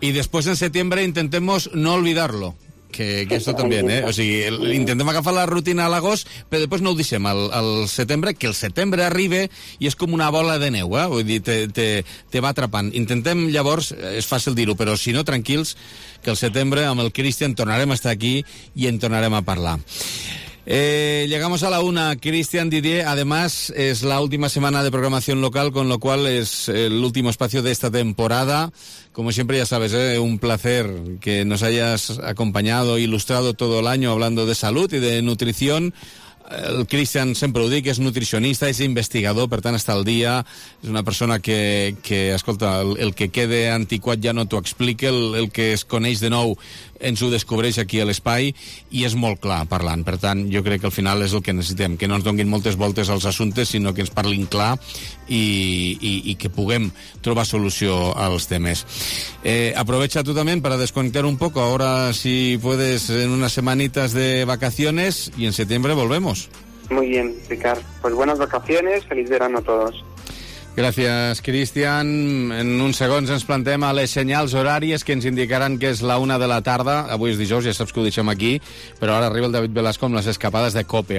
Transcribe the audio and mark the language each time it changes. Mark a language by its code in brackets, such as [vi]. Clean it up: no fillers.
[ca] I després en setembre [es] intentemos no olvidarlo, que esto también, ¿eh? [ca] O sigui, intentem agafar la rutina a l'agost, però després no ho deixem al setembre, que el setembre arriba i és com una bola de neu, ¿eh? Vull dir, te va atrapant. Intentem, llavors, és fàcil dir-ho, però si no, tranquils, que el setembre amb el Cristian tornarem a estar aquí i en tornarem a parlar. [es] Llegamos a la una, Cristian Didier. Además, es la última semana de programación local, con lo cual es el último espacio de esta temporada. Como siempre, ya sabes, un placer que nos hayas acompañado, ilustrado todo el año hablando de salud y de nutrición. [ca] El Cristian sempre ho dic, és nutricionista, és investigador, per tant, està al dia. És una persona que escolta, el que quede antiquat ja no t'ho explica, el que es coneix de nou ens ho descobreix aquí a l'espai i és molt clar parlant. Per tant, jo crec que al final és el que necessitem, que no ens donguin moltes voltes als assumptes, sinó que ens parlin clar i que puguem trobar solució als temes. [es] Aprovecha tu [ca] també per desconnectar un poc, [es] ahora si puedes en unas semanitas de vacaciones [ca] i en setembre [es] volvemos. Muy bien, Ricard. Pues buenas vacaciones, feliz verano a todos. [ca] Gràcies, Cristian. En uns segons ens plantem a les senyals horàries que ens indicaran que és la una de la tarda. Avui és dijous, ja saps que ho deixem aquí, però ara arriba el David Velasco amb les escapades de COPE.